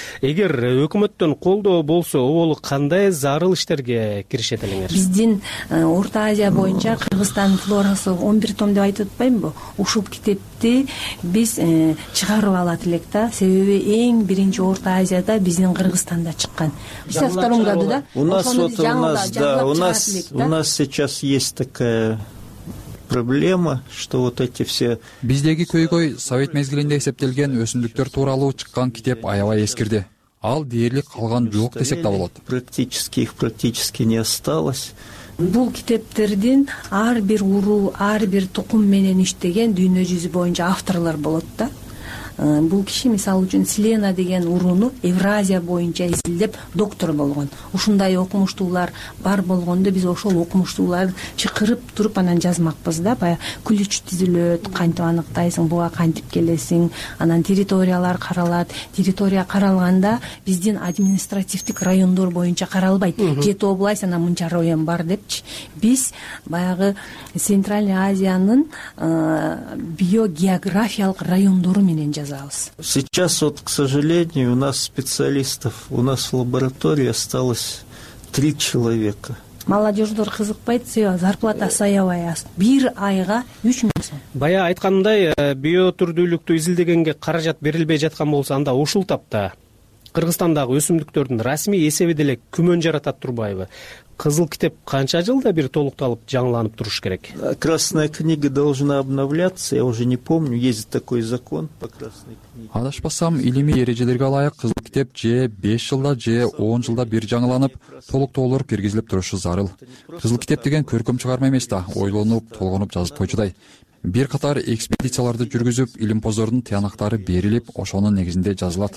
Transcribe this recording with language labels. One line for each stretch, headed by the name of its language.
Kyrgyz: Эгер өкмөттөн колдоо болсо, оболу кандай зарыл иштерге киришет элеңер? Биздин Орто Азия боюнча Кыргызстандын флорасы 11 том деп айтып атпаймынбы? Ушул китепти биз чыгарып алат элек да, себеби эң биринчи Орто Азияда биздин Кыргызстанда чыккан. Биз
Russian: во втором году, да? У нас сейчас есть такая проблема, что вот эти все.
Kyrgyz: Биздеги көйгөй совет мезгилинде эсептелген өсүмдүктөр тууралуу чыккан китеп аябай эскирди. Ал дээрлик калган жок десек да болот.
Russian: Практически не осталось.
Kyrgyz: Бул китептердин ар бир уруу, ар бир тукум менен иштеген дүйнө жүзү боюнча авторлор болот да. Бул киши мисалы үчүн Селена деген урууну Евразия боюнча изилдеп доктор болгон. Ушундай окумуштуулар бар болгондо биз ошол окумуштууларды чакырып туруп анан жазмакпыз да. Баягы күлүч түзүлөт, кантип аныктайсың, буга кантип келесиң, анан территориялар каралат. Территория каралганда биздин административдик райондор боюнча каралбайт. Жети область, анан мынча район бар депчи. Биз баягы Центральный Азиянын биогеографиялык райондору менен жазабыз.
Russian: Сейчас вот, к сожалению, у нас специалистов, у нас в лаборатории осталось 3 человека.
Kyrgyz: Молодёждор кызыкпайт, себеби зарплата саябай аз. 1 айга 3 000 сом. Бая айткандай, биотүрдүүлүктү изилдегенге каражат берилбей жаткан болсо, анда ушул тапта Кыргызстандагы өсүмдүктөрдүн расмий эсеби деле күмөн жаратат турбайбы? Кызыл китеп канча жылда бир толукталып, жаңыланып туруш керек?
Russian: Красная книга должна обновляться, я уже не помню, есть такой закон по красной книге.
Kyrgyz: Адашпасам, илимий эрежелерге ылайык, кызыл китеп же 5 жылда, же 10 жылда бир жаңыланып, толук-толук киргизилип турушу зарыл. Кызыл китеп деген көркөм чыгарма эмес да, ойлонуп, толгонуп жазып койчудай. Бир катар экспедицияларды жүргүзүп, илимпоздордун тыянактары берилип, ошонун негизинде жазылат.